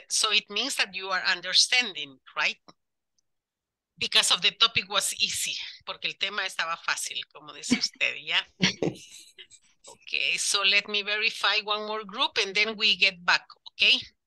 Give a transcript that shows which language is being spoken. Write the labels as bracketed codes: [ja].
[en] So it means that you are understanding, right? Because of the topic was easy. [es] Porque el tema estaba fácil, como dice usted, ¿ya? [en] Yeah? Okay, so let me verify one more group and then we get back, okay?